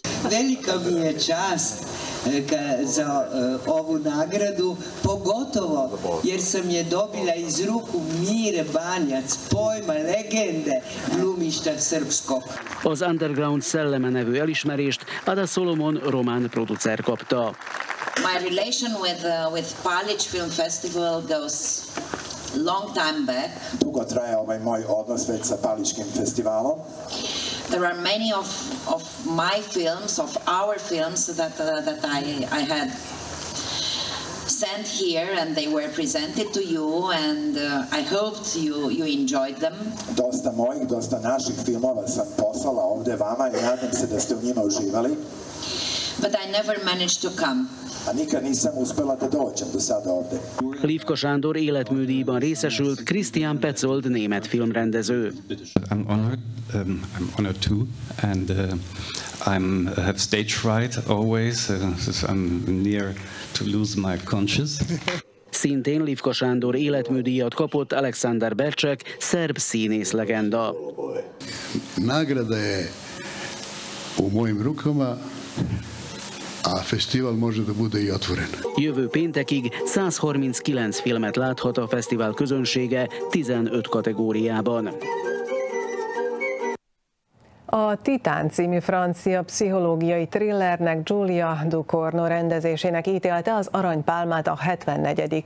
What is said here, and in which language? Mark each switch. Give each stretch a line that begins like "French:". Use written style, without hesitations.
Serbian: Velika mi je čast za ovu nagradu, pogotovo jer sam je dobila iz ruku Mire Banjac, pojma, legende, glumišta srpskog.
Hungarian: Az Underground szelleme nevű elismerést Ada Solomon román producer kapta.
English: My relation with Palic Film Festival goes long time back.
Serbian: Dugo traje ovaj moj odnos već sa Paličkim festivalom.
English: There are many of my films, of our films that I had sent here and they were presented to you and I hoped you enjoyed them.
Serbian: Dosta mojih, dosta naših filmova sam poslala ovde vama i nadam se da ste u njima uživali.
English: But I never managed to come.
Serbian: nikad nisam uspela da dođem do sada ovde.
Hungarian: Livka Sándor életműdíjban részesült Christian Petzold német filmrendező.
English: I'm honored. I'm honored too, and I have stage fright always. I'm near to lose my conscience.
Hungarian: Szintén Livka Sándor életműdíjat kapott Alexander Bercsek, szerb színész legenda.
Serbian: Nagrada je u mojim rukama, a fesztivál može da bude i otvoren.
Hungarian: Jövő péntekig 139 filmet láthat a fesztivál közönsége 15 kategóriában. A Titán című francia pszichológiai thrillernek Giulia Ducournau rendezésének ítélte az Aranypálmát a 74.